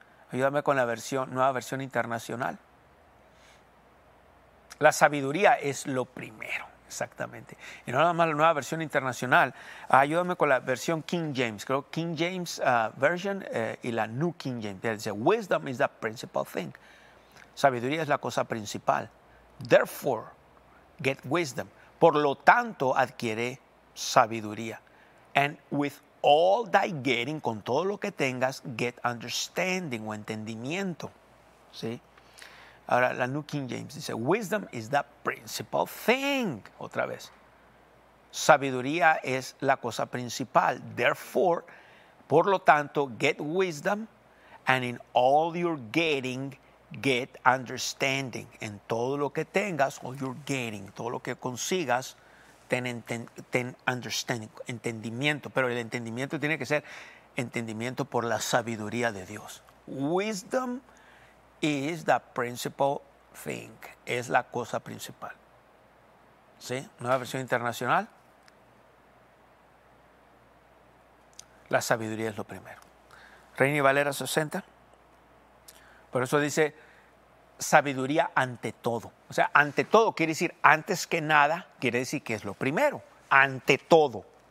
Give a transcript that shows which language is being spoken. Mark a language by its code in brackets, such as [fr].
[es] Ayúdame con la versión, Nueva Versión Internacional. La sabiduría es lo primero, exactamente. Y no nada más la Nueva Versión Internacional. Ayúdame con la versión King James, creo, King James Version y la New King James. Dice, [en] wisdom is the principal thing. [es] Sabiduría es la cosa principal. [en] Therefore, get wisdom. [es] Por lo tanto, adquiere sabiduría. [en] And with all thy getting, [es] con todo lo que tengas, [en] get understanding [es] o entendimiento. ¿Sí? Ahora, la New King James dice, [en] wisdom is the principal thing. [es] Otra vez. Sabiduría es la cosa principal. [en] Therefore, [es] por lo tanto, [en] get wisdom. And in all your getting, get understanding. [es] En todo lo que tengas, [en] all your getting, [es] todo lo que consigas, ten [en] understanding, [es] entendimiento. Pero el entendimiento tiene que ser entendimiento por la sabiduría de Dios. [en] Wisdom is the principal thing. [es] Es la cosa principal. ¿Sí? Nueva Versión Internacional. La sabiduría es lo primero. Reina y Valera 60. Por eso dice sabiduría ante todo. O sea, ante todo quiere decir antes que nada, quiere decir que es lo primero. Ante todo.